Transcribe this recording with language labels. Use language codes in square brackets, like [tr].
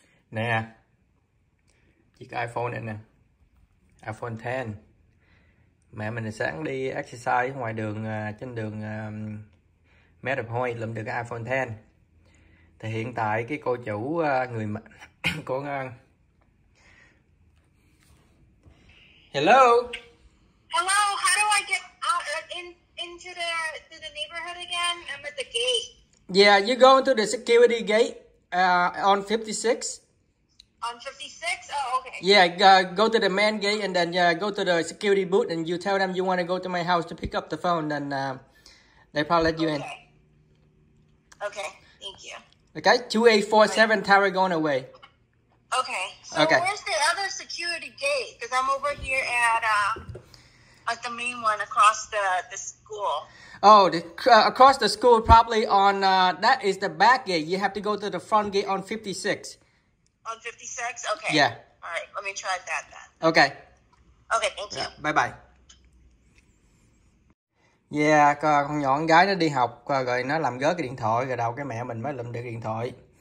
[vi] Nè, chiếc iPhone này nè, iPhone 10. Mẹ mình sáng đi exercise ngoài đường, trên đường Metropole lượm được cái iPhone 10. Thì hiện tại cái cô chủ người mà cô ngang. [en] Hello. Hello, how do I get out into the neighborhood again? I'm at the gate. Yeah, you go into the security gate on 56. On 56? Oh, okay. Yeah, go to the main gate and then go to the security booth and you tell them you want to go to my house to pick up the phone, then they probably let you in. Okay, thank you. Okay, 2847 Tarragona Way. Okay. Okay, so Okay. where's the other security gate? Because I'm over here at the main one across the school. Oh, across the school, probably on that is the back gate. You have to go to the front gate on 56. On 56? Okay. Yeah. All right, let me try that then. Okay. Okay, thank you. Yeah, bye bye. [vi] Yeah, con nhỏ con gái nó đi học rồi nó làm rớt cái điện thoại, rồi đâu cái mẹ mình mới lụm được điện thoại.